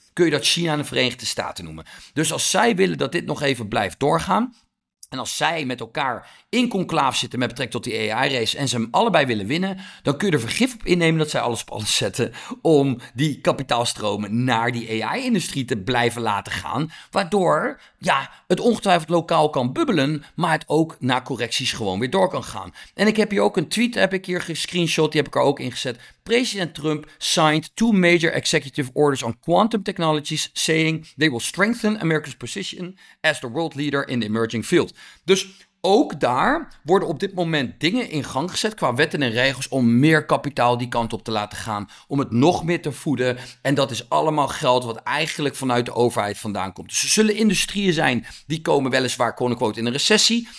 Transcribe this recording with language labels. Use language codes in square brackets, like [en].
[nl] kun je dat China en de Verenigde Staten noemen. Dus als zij willen dat dit nog even blijft doorgaan, en als zij met elkaar in conclaaf zitten met betrekking tot die AI-race en ze hem allebei willen winnen, dan kun je er vergif op innemen dat zij alles op alles zetten om die kapitaalstromen naar die AI-industrie te blijven laten gaan. Waardoor ja, het ongetwijfeld lokaal kan bubbelen, maar het ook na correcties gewoon weer door kan gaan. En ik heb hier ook een tweet, heb ik hier gescreenshot, die heb ik er ook ingezet. [en] President Trump signed 2 major executive orders on quantum technologies, saying they will strengthen America's position as the world leader in the emerging field. [nl] Dus ook daar worden op dit moment dingen in gang gezet qua wetten en regels om meer kapitaal die kant op te laten gaan, om het nog meer te voeden. En dat is allemaal geld wat eigenlijk vanuit de overheid vandaan komt. Dus er zullen industrieën zijn die komen weliswaar quote-unquote in een recessie.